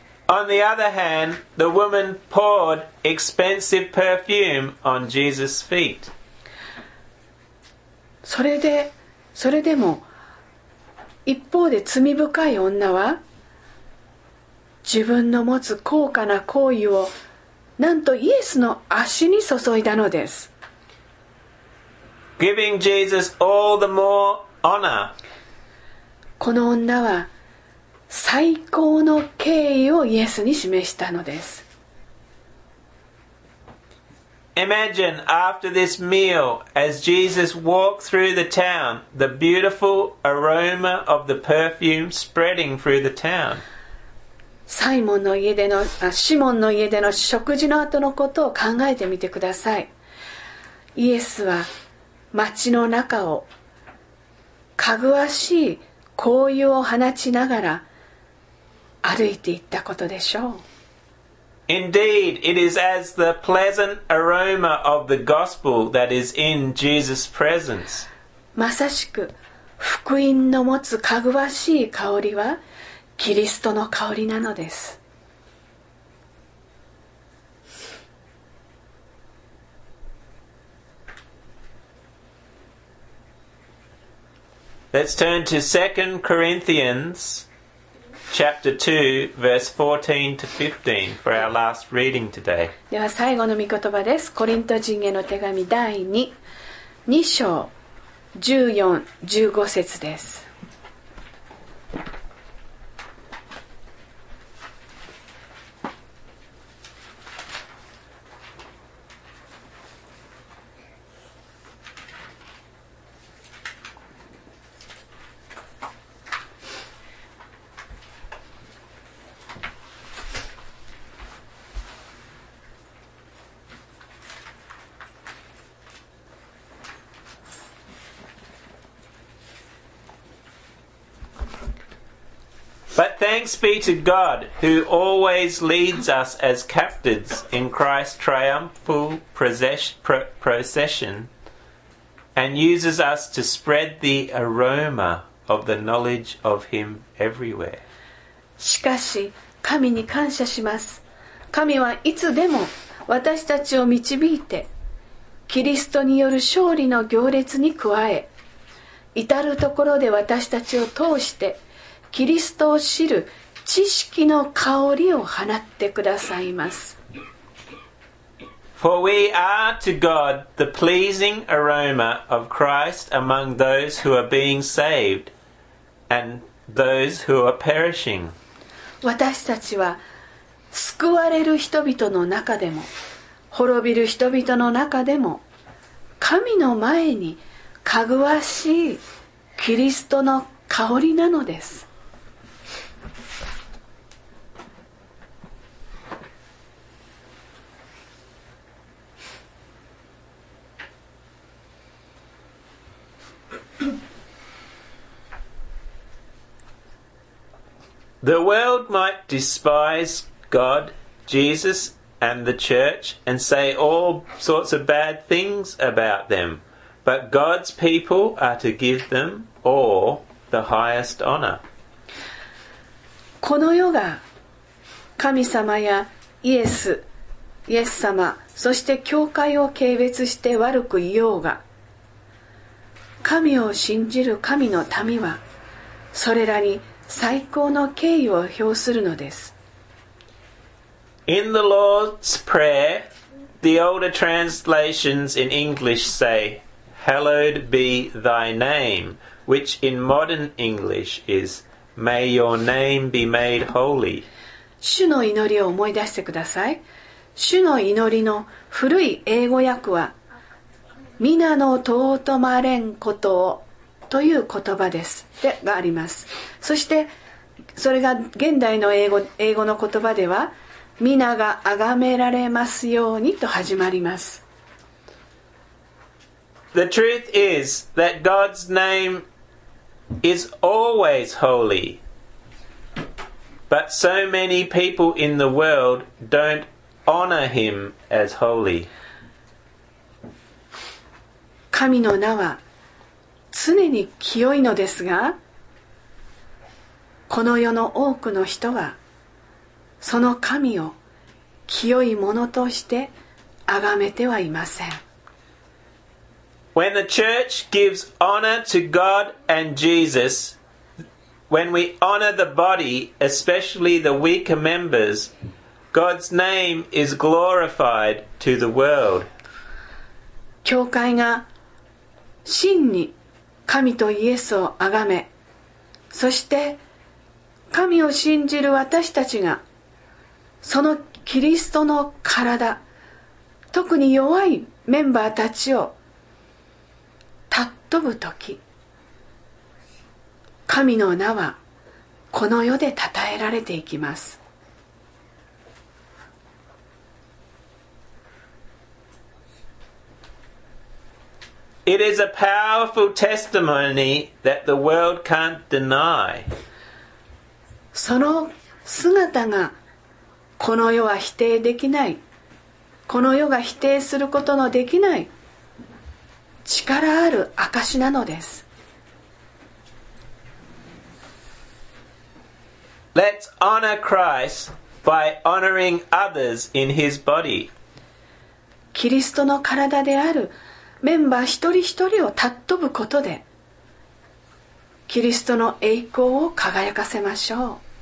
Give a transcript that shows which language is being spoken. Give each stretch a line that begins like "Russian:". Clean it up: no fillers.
English: On the other hand, the woman poured expensive perfume on Jesus' feet.
Japanese: それでも、一方で罪深い女は、自分の持つ高価な香油を、なんとイエスの足に注いだのです。
English: Giving Jesus all the more honor.
Japanese: この女は、最高の敬意をイエスに示したのです。
English: Imagine after this meal, as Jesus walked through the town, the beautiful aroma of the perfume spreading through the town.
Japanese: シモンの家での食事の後のことを考えてみてください。イエスは町の中をかぐわしい香油を放ちながら歩いていったことでしょう。
English: Indeed, it is as the pleasant aroma of the gospel that is in Jesus' presence.
Japanese: まさしく福音の持つかぐわしい香りはキリストの香りなのです。
English: Let's turn to 2 Corinthians Chapter 2, verse 14 to 15 for our last reading today.
Japanese: では最後の御言葉です。コリント人への手紙第2章14-15節です。
English: Thanks be to God, who always leads us as captives in Christ's triumphal procession and uses us to spread the aroma of the knowledge of Him everywhere.
Japanese: しかし、神に感謝します。神はいつでも私たちを導いて、キリストによる勝利の行列に加え、至るところで私たちを通して、キリストを知る知識の香りを放ってくださいます。
English: For we are to God the pleasing aroma of Christ among those who are being saved and those who are perishing.
Japanese: 私たちは救われる人々の中でも滅びる人々の中でも神の前にかぐわしいキリストの香りなのです。
English: The world might despise God, Jesus, and the church and say all sorts of bad things about them, but God's people are to give them all the highest honor.
Japanese: この世が神様やイエス様、そして教会を軽蔑して悪く言おうが、神を信じる神の民はそれらに最高の敬意を表するのです。
English: In the Lord's Prayer, the older translations in English say, Hallowed be thy name, which in modern English is, May your name be made holy.
Japanese: 主の祈りを思い出してください。主の祈りの古い英語訳は、皆の尊まれんことをという言葉ですでがあります。そしてそれが現代の英語の言葉では皆が崇められますようにと始まります。
English: The truth is that God's name is always holy, but so many people in the world don't honor him as holy.
Japanese: 神の名は常に清いのですが、この世の多くの人はその神を清いものとして崇めてはいません。
English: When the church gives honor to God and Jesus, when we honor the body, especially the weaker members, God's name is glorified to the world.
Japanese: 教会が真に神とイエスを崇め、そして神を信じる私たちが、そのキリストの体、特に弱いメンバーたちを尊ぶとき、神の名はこの世で称えられていきます。
English: It is a powerful testimony that the world can't deny.
Japanese: その姿がこの世は否定できない。この世が否定することのできない力ある証なのです。
English: Let's honor Christ by honoring others in his body.
Japanese: キリストの体であるメンバー一人一人を尊ぶことでキリストの栄光を輝かせましょう。